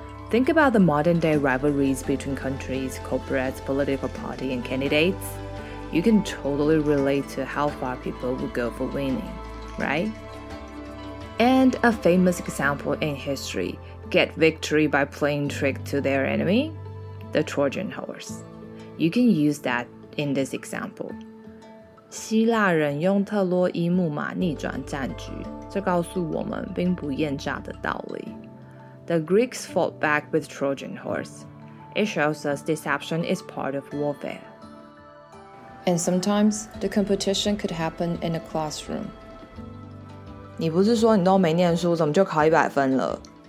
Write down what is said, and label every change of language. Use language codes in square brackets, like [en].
[en] Think about the modern day rivalries between countries, corporates, political party and candidates. You can totally relate to how far people would go for winning, right? And a famous example in history, get victory by playing trick to their enemy, the Trojan horse. You can use that in this example. [zh] 希腊人用特洛伊木马逆转战局，这告诉我们兵不厌诈的道理。 [en] The Greeks fought back with Trojan horse. It shows us deception is part of warfare. And sometimes, the competition could happen in a classroom. [zh] 你不是说你都没念书，怎么就考100分了？